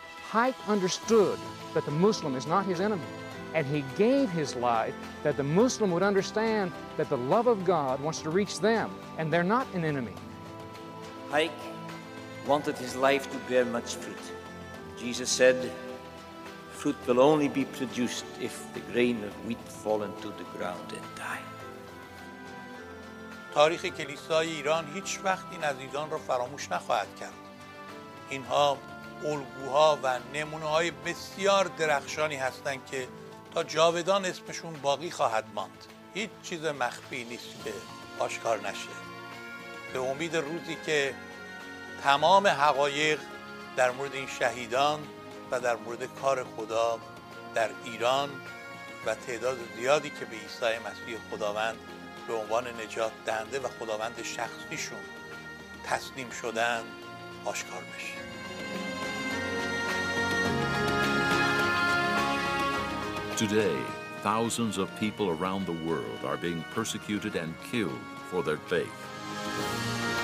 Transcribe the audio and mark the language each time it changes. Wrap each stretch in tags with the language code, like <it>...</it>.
<en>Haik understood that the Muslim is not his enemy, and he gave his life that the Muslim would understand that the love of God wants to reach them, and they're not an enemy. Haik wanted his life to bear much fruit. Jesus said, fruit will only be produced if the grain of wheat fall into the ground and die.</en> <fa>تاریخ کلیسای ایران هیچ وقت این عزیزان را فراموش نخواهد کرد. اینها الگوها و نمونه‌های بسیار درخشانی هستند که تا جاودان اسمشون باقی خواهد ماند. هیچ چیز مخفی نیست که آشکار نشه. به امید روزی که تمام حقایق در مورد این شهیدان و در مورد کار خدا در ایران و تعداد زیادی که به عیسی مسیح خداوند به عنوان نجات دهنده و خداوند شخصیشون تسلیم شدن آشکار بشه.</fa> <en>Today, thousands of people around the world are being persecuted and killed for their faith.</en>